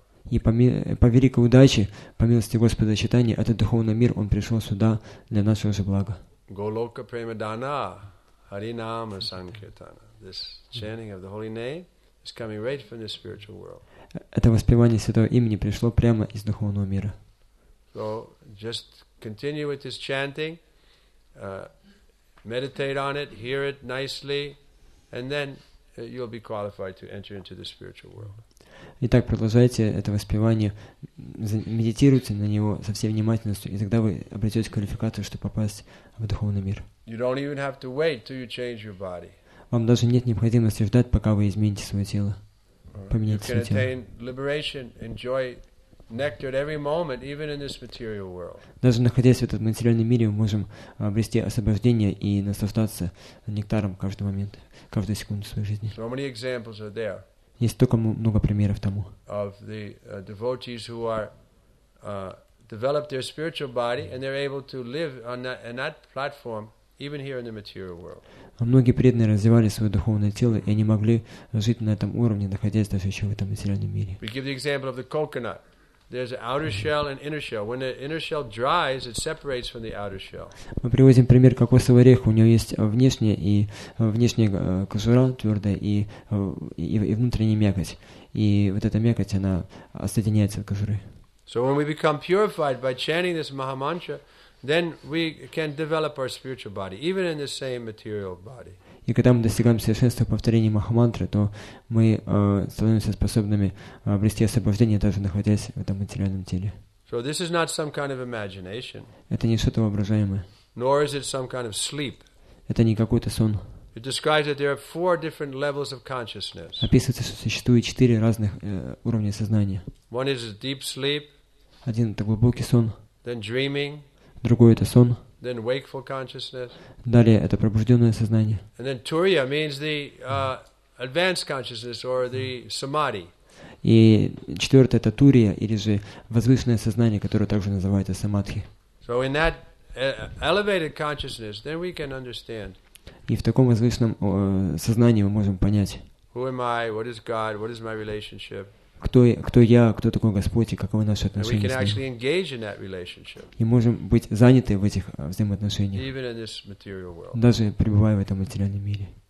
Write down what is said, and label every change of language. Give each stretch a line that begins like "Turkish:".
Russian: И по великой удаче, по милости Господа Чайтаньи, этот духовный мир, он пришел сюда для нашего же блага.
Bangla: Голока премадана, харинама санкиртана.
English: This chanting of the holy name is coming right from the spiritual world.
Russian: Это воспевание святого имени пришло прямо из духовного мира.
English: So just continue with this chanting, meditate on it, hear it nicely, and then you'll be qualified to enter into the spiritual world.
Russian: Итак, продолжайте это воспевание, медитируйте на него со всей внимательностью, и тогда вы обретете квалификацию, чтобы попасть в духовный мир.
English: You don't even have to wait till you change your body.
Russian: Вам даже нет необходимости ждать, пока вы измените свое тело, поменяете свое тело.
English: You can attain liberation, enjoy nectar at every moment, even in this material world.
Russian: Даже находясь в этом материальном мире, мы можем обрести освобождение и наслаждаться нектаром каждый момент, каждую секунду своей жизни.
English: So many examples are there.
Russian: Есть столько много примеров тому.
English: Of the devotees who are develop their spiritual body and they're able to live on that platform, even here in the material world.
Russian: Многие преданные развивали свое духовное тело и они могли жить на этом уровне, находясь даже еще в этом материальном мире.
English: We give the example of the coconut. There's an outer shell and inner shell. When the inner shell dries, it separates from the outer shell.
Russian: Мы приводим пример кокосового ореха. У него есть внешняя и внешняя кожура твердая и внутренняя мякоть. И вот эта мякоть она отсоединяется от кожуры.
English: So when we become purified by chanting this Mahamantra, then we can develop our spiritual body, even in the same material body.
Russian: И когда мы достигаем совершенства повторения Махамантры, то мы становимся способными обрести освобождение, даже находясь в этом материальном теле.
English: So this is not some kind of imagination.
Russian: Это не что-то воображаемое.
English: Nor is it some kind of sleep.
Russian: Это не какой-то сон.
English: It describes that there are four different levels of consciousness.
Russian: Описывается, что существует четыре разных уровня сознания.
English: One is a deep sleep.
Russian: Один — это глубокий сон.
English: Then dreaming.
Russian: Другой — это сон.
English: Then wakeful consciousness.
Russian: Далее это пробужденное сознание.
English: And then turiya means the advanced consciousness or the samadhi.
Russian: И четвертое это турия или же возвышенное сознание, которое также называется самадхи.
English: So in that elevated consciousness, then we can understand.
Russian: И в таком возвышенном сознании мы можем понять.
English: Who am I? What is God? What is my relationship?
Russian: Кто я, кто такой Господь и каковы наши отношения с Ним. И можем быть заняты в этих взаимоотношениях, даже пребывая в этом материальном мире.